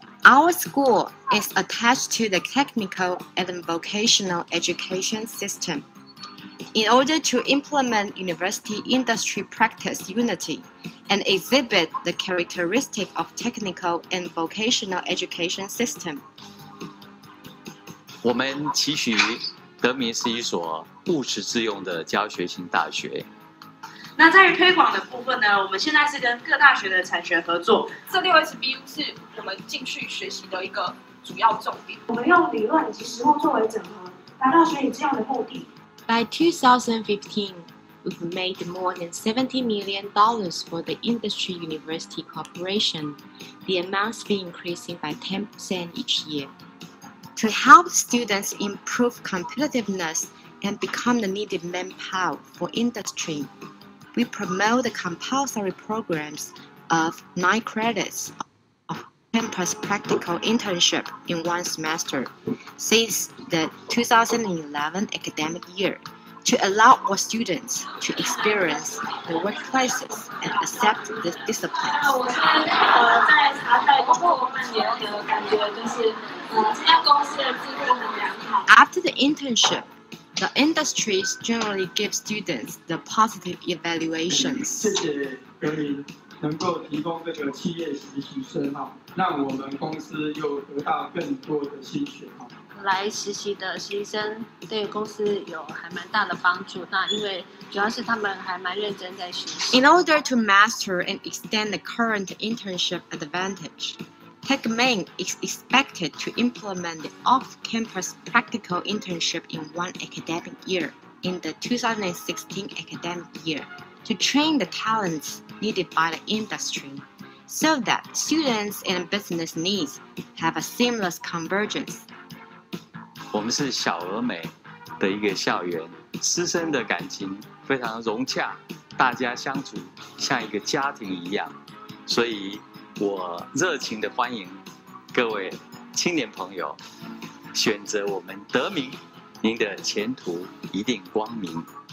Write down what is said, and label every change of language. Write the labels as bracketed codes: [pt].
[en] Our school is attached to the technical and vocational education system. In order to implement university industry practice unity and exhibit the characteristic of technical and vocational education system. [zh] 我们期许德明是一所务实致用的教学型大学。那在于推广的部分呢，我们现在是跟各大学的产学合作，这六 SBU 是我们进去学习的一个主要重点。我们用理论以及实务作为整合，达到学以致用的目的。 [en] By 2015, we've made more than $70 million for the industry university cooperation. The amount's been increasing by 10% each year. To help students improve competitiveness and become the needed manpower for industry. We promote the compulsory programs of 9 credits of campus practical internship in one semester since the 2011 academic year to allow our students to experience the workplaces and accept the disciplines. [zh] 我现在在查看，包括我们联合的感觉，就是现在公司的制度很良好。 [en] After the internship,The industry generally gives students the positive evaluations. [zh] 谢谢德明能够提供这个企业实习生哈，让我们公司又得到更多的薪水哈。来实习的实习生对公司有还蛮大的帮助，那因为主要是他们还蛮认真在学习。 [en] In order to master and extend the current internship advantage, Takming is expected to implement the off-campus practical internship in one academic year, in the 2016 academic year, to train the talents needed by the industry. So that students and business needs have a seamless convergence. [zh] 我们是小而美的一个校园，师生的感情非常融洽，大家相处像一个家庭一样，所以我热情的欢迎各位青年朋友选择我们德明，您的前途一定光明。